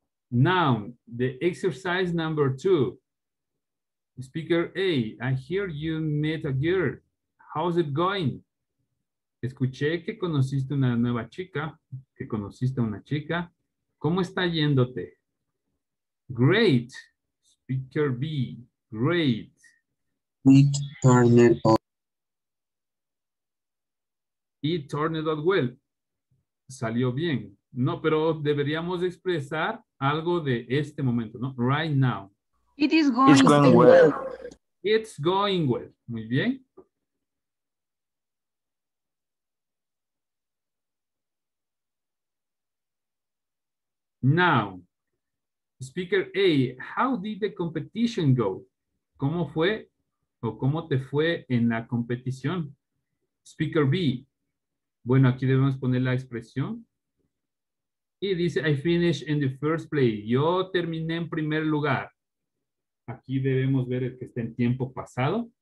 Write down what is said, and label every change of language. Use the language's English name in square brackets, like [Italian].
[English] Now, the exercise number two. Speaker A, I hear you met a girl. How's it going? [Spanish] Escuché que conociste una nueva chica, que conociste a una chica. ¿Cómo está yéndote? [English] Great. Speaker B. Great. It turned out well. [Spanish] Salió bien. No, pero deberíamos expresar algo de este momento, ¿no? [English] Right now. It is going well. It's going well. [Spanish] Muy bien. [English] Now, speaker A, how did the competition go? [Spanish] ¿Cómo fue o cómo te fue en la competición? Speaker B, bueno, aquí debemos poner la expresión. Y dice, [English] I finished in the first place. [Spanish] Yo terminé en primer lugar. Aquí debemos ver el que está en tiempo pasado.